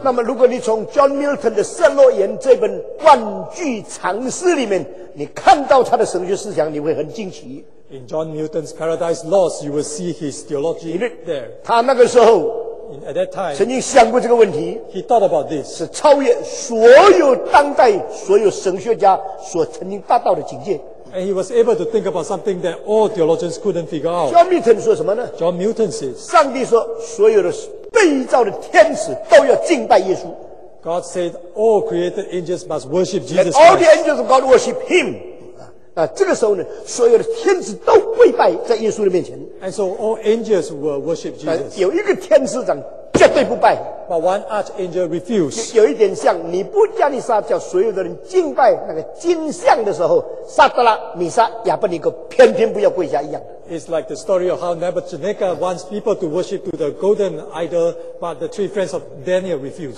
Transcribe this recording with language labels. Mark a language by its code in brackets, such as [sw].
[zh] 那么，如果你从 John Milton 的《圣诺言》这本万句长诗里面，你看到他的神学思想，你会很惊奇。 [en] In John Milton's Paradise Lost, you will see his theology there. [zh] 他那个时候。 [en] At that time, [zh] 曾经想过这个问题 [en] he thought about this. [zh] 是超越所有当代所有神学家所曾经达到的境界 [en] and he was able to think about something that all theologians couldn't figure out. [zh] John Milton 说什么呢？ [en] John Milton says, [zh] 上帝说所有的被造的天使都要敬拜耶稣。 [en] God said all created angels must worship Jesus Christ. All the angels of God worship him. [zh] 这个时候呢,所有的天使都跪拜在耶稣的面前。 [en] And so all angels will worship Jesus. [zh] 有一个天使长, 绝对不拜, [en] but one archangel refused. [zh] 有一点像, 尼布加利撒, 叫所有的人敬拜那个金像的时候, 撒德拉, 米撒, 亚伯尼哥, 偏偏不要跪下一样。 [en] It's like the story of how Nebuchadnezzar wants people to worship to the golden idol, but the three friends of Daniel refused.